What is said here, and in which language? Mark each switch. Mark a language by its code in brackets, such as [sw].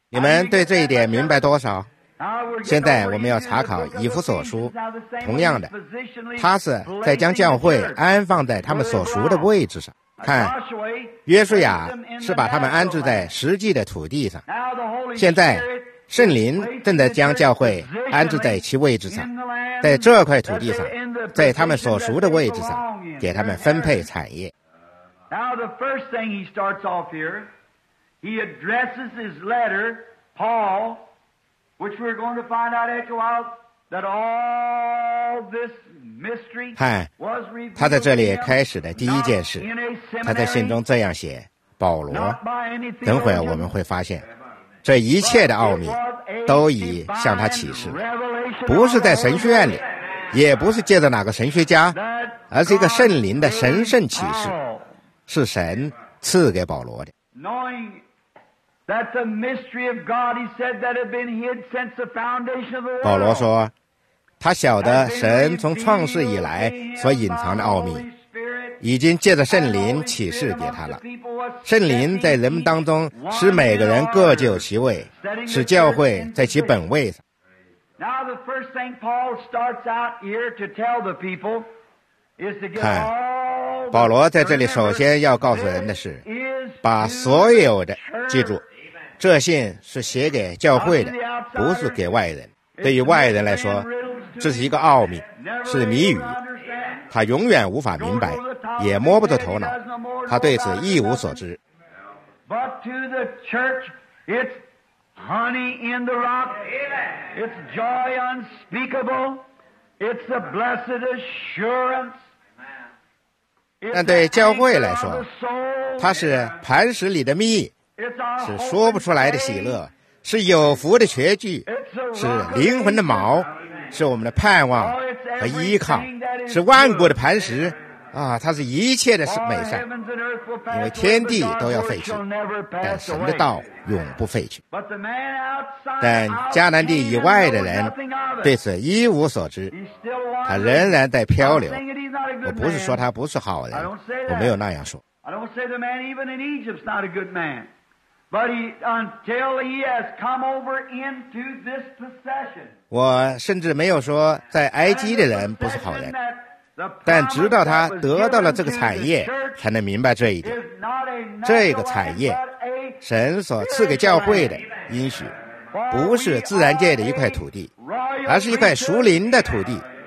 [zh] 你们对这一点明白多少？现在我们要查考以弗所书，同样的，他是在将教会安放在他们所熟的位置上。看，约书亚是把他们安置在实际的土地上，现在圣灵正在将教会安置在其位置上，在这块土地上，在他们所熟的位置上，给他们分配产业。 [en] Now the first thing he starts off here, he addresses his letter, Paul, which we're going to find out after a while that all this mystery was revealed. [zh] 他在这里开始的第一件事，他在信中这样写：保罗。等会儿我们会发现，这一切的奥秘都已向他启示，不是在神学院里，也不是借着哪个神学家，而是一个圣灵的神圣启示，是神赐给保罗的。 [en] Knowing that the mystery of God, he said that had been hid since the foundation of the world. [zh] 保罗说，他晓得神从创世以来所隐藏的奥秘，已经借着圣灵启示给他了。圣灵在人们当中使每个人各就有其位，使教会在其本位上。 [en] Now the first thing Paul starts out here to tell the people is to get all. [zh] 保罗在这里首先要告诉人的是，把所有的，记住，这信是写给教会的，不是给外人。对于外人来说，这是一个奥秘，是谜语，他永远无法明白，也摸不着头脑，他对此一无所知。 [en] But to the church, it's honey in the rock, it's joy unspeakable, it's the blessed assurance. [zh] 但对教会来说，它是磐石里的蜜，是说不出来的喜乐，是有福的确据，是灵魂的锚，是我们的盼望和依靠，是万古的磐石啊！它是一切的美善，因为天地都要废去，但神的道永不废去。但迦南地以外的人对此一无所知，他仍然在漂流。我不是说他不是好人，我没有那样说。 [en] I don't say the man even in Egypt's not a good man, but he, until he has come over into this possession. [zh] 我甚至没有说在埃及的人不是好人，但直到他得到了这个产业，才能明白这一点。这个产业，神所赐给教会的应许，不是自然界的一块土地，而是一块属灵的土地。